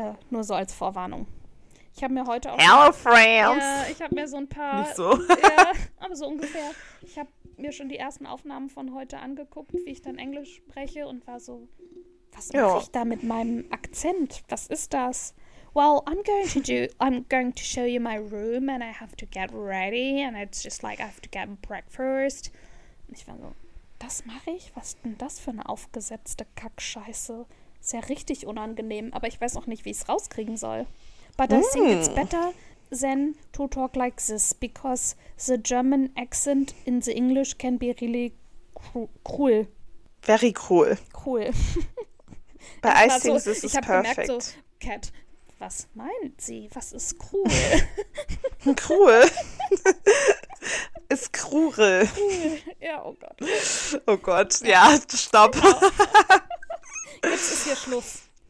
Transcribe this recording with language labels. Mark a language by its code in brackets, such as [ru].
[de] Nur so als Vorwarnung. Ich habe mir heute auch. [en] Hello, France! [de] Ich habe mir so ein paar. Nicht so. Aber so ungefähr. Ich habe mir schon die ersten Aufnahmen von heute angeguckt, wie ich dann Englisch spreche und war so. Was mache ich da mit meinem Akzent? Was ist das? [en] Well, I'm going to show you my room and I have to get ready and it's just like I have to get breakfast. [de] Und ich war so, das mache ich? Was denn das für eine aufgesetzte Kackscheiße? Ist ja richtig unangenehm, aber ich weiß auch nicht, wie ich es rauskriegen soll. [en] But I think it's better than to talk like this because the German accent in the English can be really cruel. Very cruel. Cool. [de] Bei Ice Things ist es perfekt. Ich habe gemerkt so, Cat, was meint sie? Was ist cruel? Cruel? Ist krurel. Ja, oh Gott. Oh Gott, ja, stopp. Genau. Jetzt ist hier Schluss.